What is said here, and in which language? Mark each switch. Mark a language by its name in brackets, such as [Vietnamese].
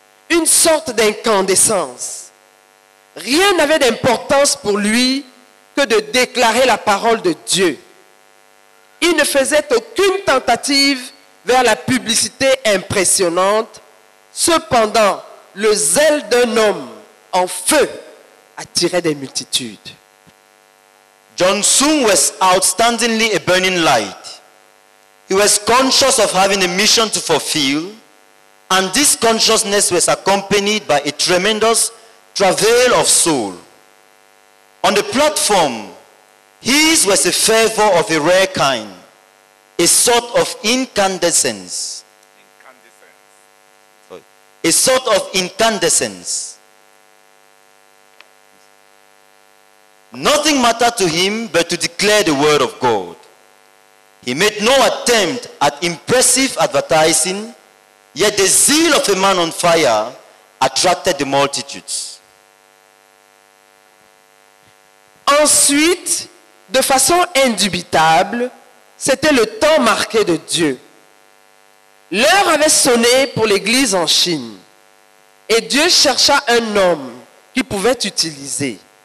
[French] Une sorte d'incandescence. Rien n'avait d'importance pour lui que de déclarer la parole de Dieu. Il ne faisait aucune tentative vers la publicité impressionnante. Cependant, le zèle d'un homme en feu attirait des multitudes. [English] John soon was outstandingly a burning light. He was conscious of having a mission to fulfill, and this consciousness was accompanied by a tremendous travail of soul. On the platform, his was a fervor of a rare kind, a sort of incandescence. A sort of incandescence. Nothing mattered to him but to declare the word of God. He made no attempt at impressive advertising, yet the zeal of a man on fire attracted the multitudes. [French] Ensuite, de façon indubitable, c'était le temps marqué de Dieu. L'heure avait sonné pour l'église en Chine. Et Dieu chercha un homme qu'il pouvait utiliser.